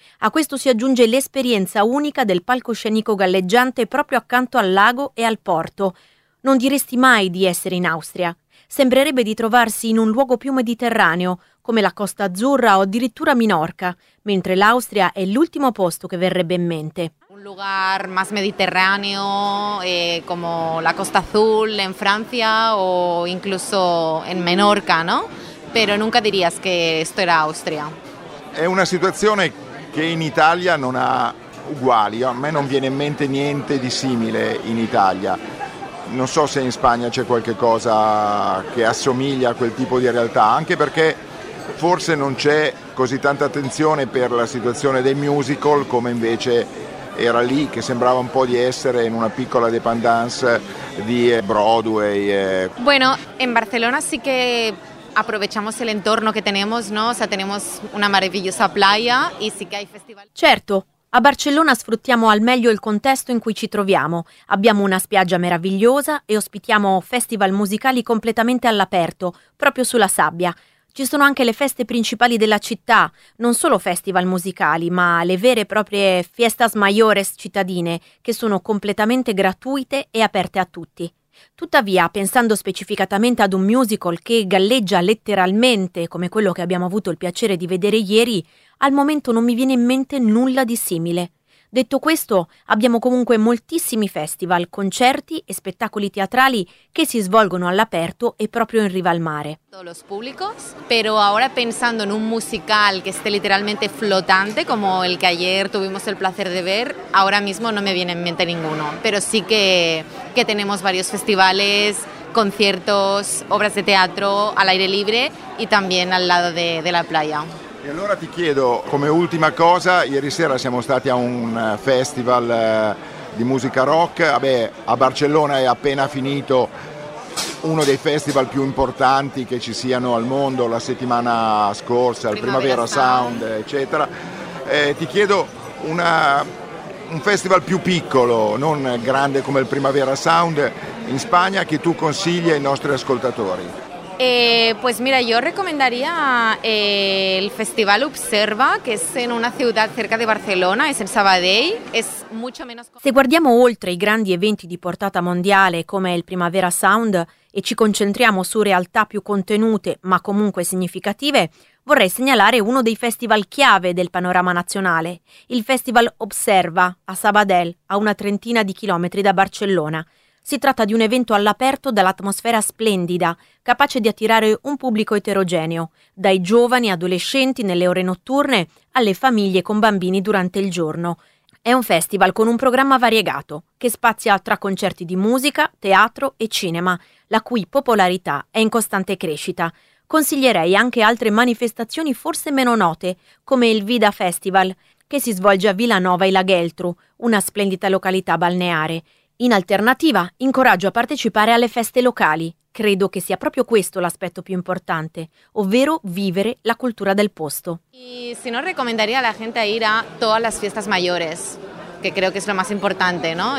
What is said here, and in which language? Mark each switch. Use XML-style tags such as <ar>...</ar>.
<it>A questo si aggiunge l'esperienza unica del palcoscenico galleggiante proprio accanto al lago e al porto. Non diresti mai di essere in Austria. sembrerebbe di trovarsi in un luogo più mediterraneo, come la Costa Azzurra o addirittura Minorca, mentre l'Austria è l'ultimo posto che verrebbe in mente.</it> <es>Un lugar más mediterráneo, como la Costa Azul en Francia o incluso en Menorca, ¿no? Pero nunca dirías que esto era Austria.</es> <it>È una situazione che in Italia non ha uguali, a me non viene in mente niente di simile in Italia. Non so se in Spagna c'è qualche cosa che assomiglia a quel tipo di realtà, anche perché forse non c'è così tanta attenzione per la situazione dei musical come invece era lì, che sembrava un po' di essere in una piccola dépendance di Broadway.</it> <es>Bueno, en Barcelona sí que aprovechamos el entorno que tenemos, ¿no? O sea, tenemos una maravillosa playa y sí que hay festival.</es> <it>Certo. A Barcellona sfruttiamo al meglio il contesto in cui ci troviamo. Abbiamo una spiaggia meravigliosa e ospitiamo festival musicali completamente all'aperto, proprio sulla sabbia. Ci sono anche le feste principali della città, non solo festival musicali, ma le vere e proprie fiestas mayores cittadine, che sono completamente gratuite e aperte a tutti. Tuttavia, pensando specificatamente ad un musical che galleggia letteralmente, come quello che abbiamo avuto il piacere di vedere ieri, al momento non mi viene in mente nulla di simile. Detto questo, abbiamo comunque moltissimi festival, concerti e spettacoli teatrali che si svolgono all'aperto e proprio in riva al mare.</it> <es>Los públicos, pero ahora pensando en un musical que esté literalmente flotante como el que ayer tuvimos el placer de ver, ahora mismo no me viene en mente ninguno, pero sí que tenemos varios festivales, conciertos, obras de teatro al aire libre y también al lado de la playa.</es> <it>E allora ti chiedo, come ultima cosa, ieri sera siamo stati a un festival di musica rock, vabbè, a Barcellona è appena finito uno dei festival più importanti che ci siano al mondo, la settimana scorsa, il Primavera Sound, eccetera. Ti chiedo un festival più piccolo, non grande come il Primavera Sound, in Spagna, che tu consigli ai nostri ascoltatori.</it> <es>Pues mira, yo recomendaría el Festival Observa, que es en una ciudad cerca de Barcelona, es en Sabadell, es mucho menos.</es> <it>Se guardiamo oltre i grandi eventi di portata mondiale come il Primavera Sound e ci concentriamo su realtà più contenute, ma comunque significative, vorrei segnalare uno dei festival chiave del panorama nazionale, il Festival Observa a Sabadell, a una trentina di chilometri da Barcellona. Si tratta di un evento all'aperto dall'atmosfera splendida, capace di attirare un pubblico eterogeneo, dai giovani adolescenti nelle ore notturne alle famiglie con bambini durante il giorno. È un festival con un programma variegato, che spazia tra concerti di musica, teatro e cinema, la cui popolarità è in costante crescita. Consiglierei anche altre manifestazioni forse meno note, come il Vida Festival, che si svolge a Vilanova e la Geltrú, una splendida località balneare. In alternativa, incoraggio a partecipare alle feste locali. Credo che sia proprio questo l'aspetto più importante, ovvero vivere la cultura del posto.</it> <es>Y si no, recomendaría a la gente a ir a todas las fiestas mayores, que creo que es lo más importante, ¿no?</es>